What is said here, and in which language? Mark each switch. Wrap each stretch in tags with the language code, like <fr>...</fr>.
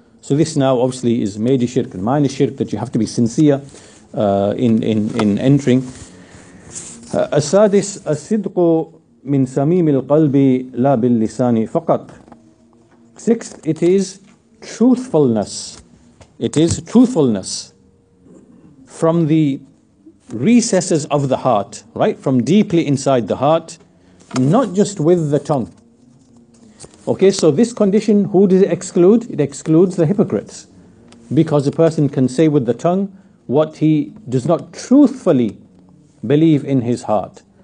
<en>So this now obviously is major shirk and minor shirk, that you have to be sincere in entering.</en> <ar>السادس الصدق من سميم القلب لا باللسان فقط.</ar> <en>Sixth, it is truthfulness. It is truthfulness from the recesses of the heart, right, from deeply inside the heart, not just with the tongue. Okay, so this condition, who does it exclude? It excludes the hypocrites, because a person can say with the tongue what he does not truthfully believe in his heart.</en>